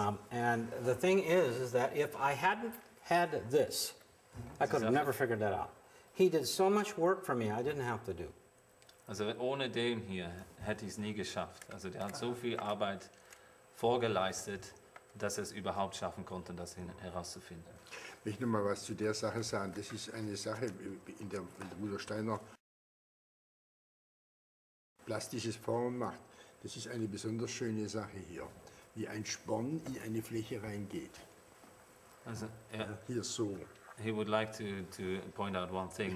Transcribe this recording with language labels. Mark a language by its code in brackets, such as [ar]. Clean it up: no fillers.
[en] And the thing is that if I hadn't had this, I could have never figured that out. He did so much work for me, I didn't have to do. [de] Also ohne den hier hätte ich es nie geschafft. Also der hat so viel Arbeit vorgeleistet, dass er es überhaupt schaffen konnte, das herauszufinden. Will ich nochmal was zu der Sache sagen? Das ist eine Sache in der Rudolf Steiner plastisches Formen macht. Das ist eine besonders schöne Sache hier, wie ein Sporn in eine Fläche reingeht. Also er, hier so. [en] He would like to point out one thing.